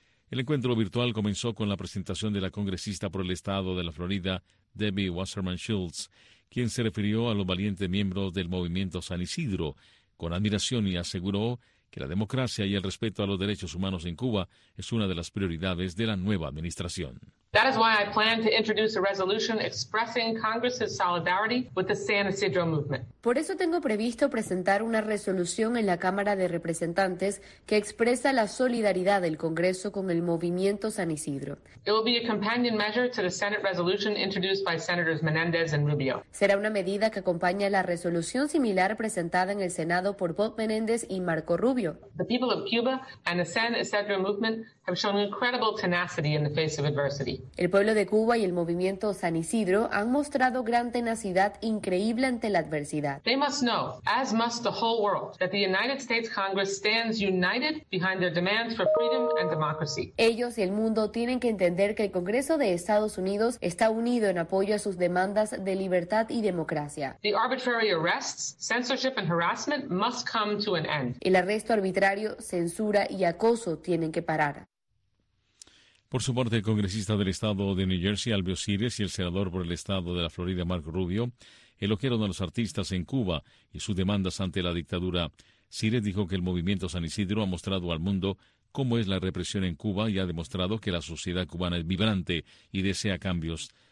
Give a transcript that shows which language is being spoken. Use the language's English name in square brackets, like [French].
[Spanish] El encuentro virtual comenzó con la presentación de la congresista por el estado de la Florida, Debbie Wasserman Schultz, quien se refirió a los valientes miembros del movimiento San Isidro con admiración y aseguró que la democracia y el respeto a los derechos humanos en Cuba es una de las prioridades de la nueva administración. [English] That is why I plan to introduce a resolution expressing Congress's solidarity with the San Isidro movement. [Spanish] Por eso tengo previsto presentar una resolución en la Cámara de Representantes que expresa la solidaridad del Congreso con el movimiento San Isidro. [English] It will be a companion measure to the Senate resolution introduced by Senators Menéndez and Rubio. [Spanish] Será una medida que acompaña la resolución similar presentada en el Senado por Bob Menéndez y Marco Rubio. [English] The people of Cuba and the San Isidro movement have shown incredible tenacity in the face of adversity. [Spanish] El pueblo de Cuba y el movimiento San Isidro han mostrado gran tenacidad increíble ante la adversidad. [English] They must know, as must the whole world, that the United States Congress stands united behind their demands for freedom and democracy. [Spanish] Ellos y el mundo tienen que entender que el Congreso de Estados Unidos está unido en apoyo a sus demandas de libertad y democracia. [English] The arbitrary arrests, censorship and harassment must come to an end. [Spanish] El arresto arbitrario, censura y acoso tienen que parar. Por su parte, el congresista del estado de New Jersey, Albio Cires, y el senador por el estado de la Florida, Marco Rubio, elogiaron a los artistas en Cuba y sus demandas ante la dictadura. Cires dijo que el movimiento San Isidro ha mostrado al mundo cómo es la represión en Cuba y ha demostrado que la sociedad cubana es vibrante y desea cambios.